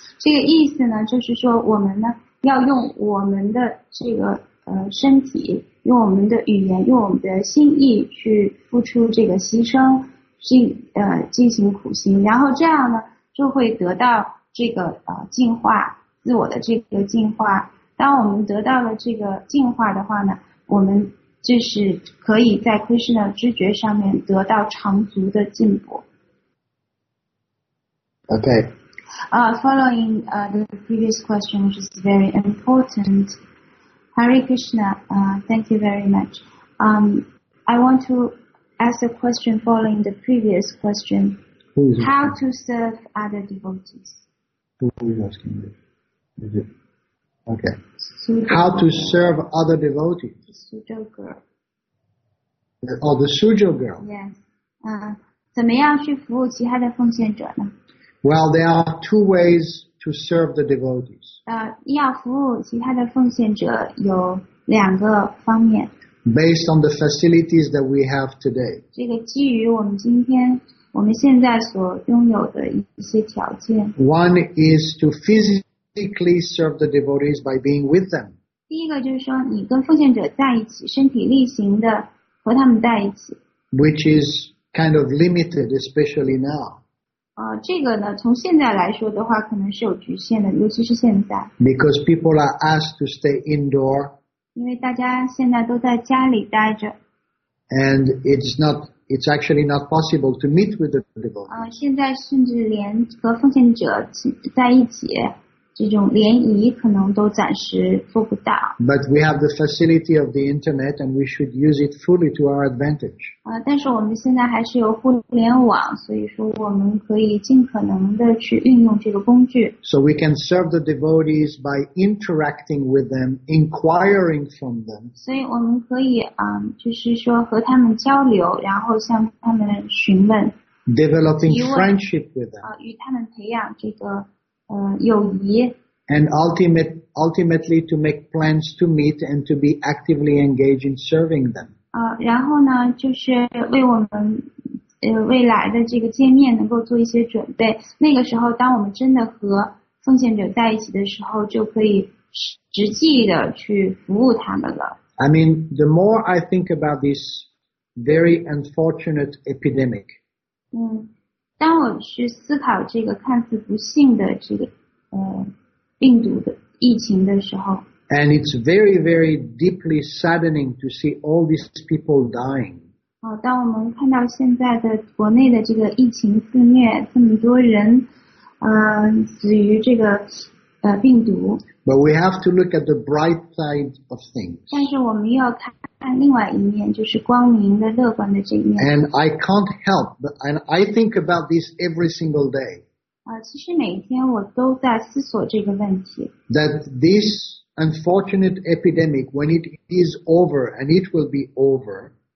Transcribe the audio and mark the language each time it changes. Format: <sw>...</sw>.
<zh>这个意思呢，就是说我们呢要用我们的这个身体，用我们的语言，用我们的心意去付出这个牺牲，进行苦行，然后这样呢就会得到这个进化。自我的这个进化，当我们得到了这个进化的话呢，我们就是可以在 Krishna 的知觉上面得到长足的进步。</zh> <en>Okay. Following the previous question, which is very important, Hare Krishna, thank you very much. I want to ask a question following the previous question. How to serve other devotees? Who is asking this? How to serve other devotees? The Sujo girl. Oh, the Sujo girl. Yes.</en> <zh>怎么样去服务其他的奉献者呢?</zh> <en>Well, there are two ways to serve the devotees.</en> <zh>要服务其他的奉献者有两个方面。</zh> <en>Based on the facilities that we have today.</en> <zh>这个基于我们今天我们现在所拥有的一些条件。</zh> <en>One is to physically serve the devotees by being with them.</en> <zh>第一个就是说你跟奉献者在一起，身体力行的和他们在一起。</zh> <en>Which is kind of limited, especially now.</en> <zh>这个呢，从现在来说的话，可能是有局限的，尤其是现在。</zh> <en>Because people are asked to stay indoor</en> <zh>因为大家现在都在家里待着。</zh> <en>And it's actually not possible to meet with the devotees.</en> <zh>现在甚至连和奉献者在一起，这种联谊可能都暂时做不到。</zh> <en>But we have the facility of the internet, and we should use it fully to our advantage.</en> <zh>但是我们现在还是有互联网，所以说我们可以尽可能的去运用这个工具。</zh> <en>So we can serve the devotees by interacting with them, inquiring from them.</en> <zh>所以我们可以就是说和他们交流，然后向他们询问。</zh> <en>Developing friendship with them.</en> <zh>与他们培养这个。友谊</zh> <en>and ultimately to make plans to meet and to be actively engaged in serving them.</en> <zh>然后呢，就是为我们未来的这个见面能够做一些准备。那个时候，当我们真的和奉献者在一起的时候，就可以实际的去服务他们了。</zh> <en>I mean, the more I think about this very unfortunate epidemic.</en> <zh>当我去思考这个看似不幸的这个病毒的疫情的时候</zh> <en>，and it's very very deeply saddening to see all these people dying。</en> <zh>当我们看到现在的国内的这个疫情肆虐，这么多人，死于这个病毒。</zh> <en>But we have to look at the bright side of things.</en> <zh>但是我们要看另外一面，就是光明的、乐观的这一面。</zh> <en>And I can't help, but and I think about this every single day.</en> <zh>其实每天我都在思索这个问题。</zh> <en>That this unfortunate epidemic, when it is over, and it will be over.</en>